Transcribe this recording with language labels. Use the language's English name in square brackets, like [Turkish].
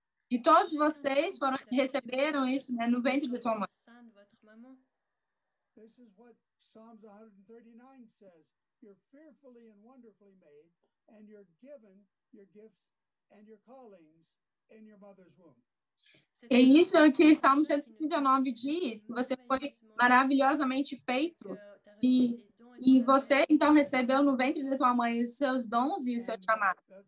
[Portuguese] E todos vocês receberam isso, né, no ventre da tua mãe. Isso é o que Psalms 139 diz. [English] You're fearfully and wonderfully made, and you're given your gifts and your callings in your mother's womb. [Portuguese] E isso é o que Salmo 139 diz, que você foi maravilhosamente feito e você, então, recebeu no ventre da tua mãe os seus dons e o seu chamado.